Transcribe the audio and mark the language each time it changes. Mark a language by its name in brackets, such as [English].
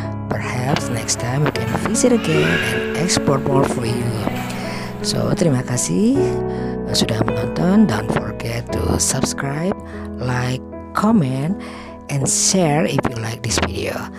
[English] Perhaps next time we can visit again and explore more for you. [Indonesian] So, terima kasih sudah menonton. [English] Don't forget to subscribe, like, comment, and share if you like this video.